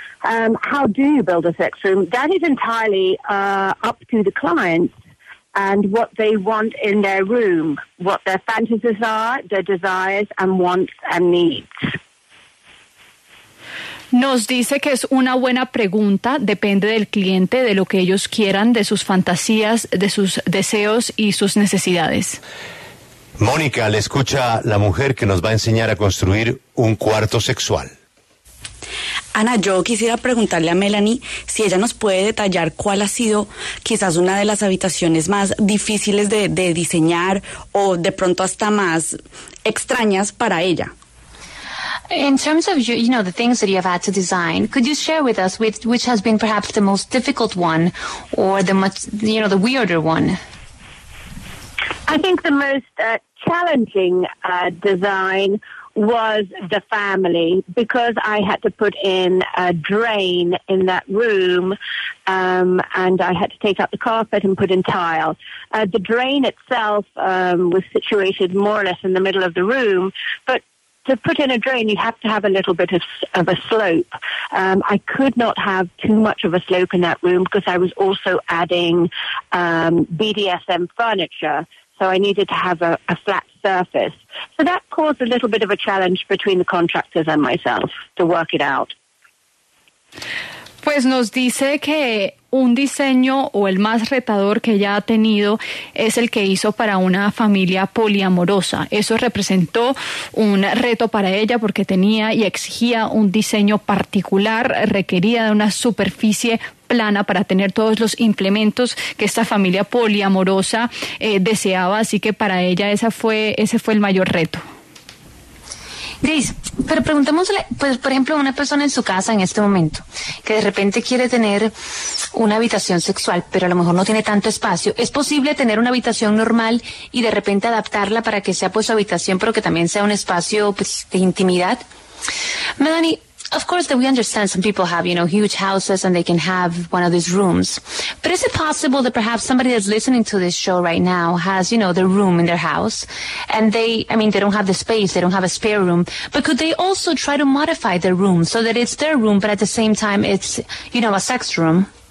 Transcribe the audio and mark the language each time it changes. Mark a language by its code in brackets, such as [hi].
[en] How do you build a sex room? That is entirely up to the client and what they want in their room, what their fantasies are, their desires and wants and needs. [es] Nos dice que es una buena pregunta, depende del cliente, de lo que ellos quieran, de sus fantasías, de sus deseos y sus necesidades. Mónica, le escucha la mujer que nos va a enseñar a construir un cuarto sexual. Ana, yo quisiera preguntarle a Melanie si ella nos puede detallar cuál ha sido quizás una de las habitaciones más difíciles de diseñar o de pronto hasta más extrañas para ella. [en] In terms of, you know, the things that you have had to design, could you share with us which has been perhaps the most difficult one or the much, you know, the weirder one? I think the most challenging design was the family, because I had to put in a drain in that room and I had to take out the carpet and put in tile. The drain itself was situated more or less in the middle of the room, but to put in a drain, you have to have a little bit of a slope. I could not have too much of a slope in that room because I was also adding BDSM furniture. So I needed to have a flat surface. So that caused a little bit of a challenge between the contractors and myself to work it out. [es] Pues nos dice que un diseño o el más retador que ella ha tenido es el que hizo para una familia poliamorosa. Eso representó un reto para ella porque tenía y exigía un diseño particular, requería de una superficie plana para tener todos los implementos que esta familia poliamorosa deseaba. Así que para ella ese fue el mayor reto. Grace, pero preguntémosle, pues, por ejemplo, a una persona en su casa en este momento que de repente quiere tener una habitación sexual, pero a lo mejor no tiene tanto espacio. ¿Es posible tener una habitación normal y de repente adaptarla para que sea, pues, su habitación, pero que también sea un espacio, pues, de intimidad? [en] Melanie, of course that we understand some people have, you know, huge houses and they can have one of these rooms. But is it possible that perhaps somebody that's listening to this show right now has, you know, their room in their house and they don't have the space, they don't have a spare room, but could they also try to modify their room so that it's their room, but at the same time it's, you know, a sex room?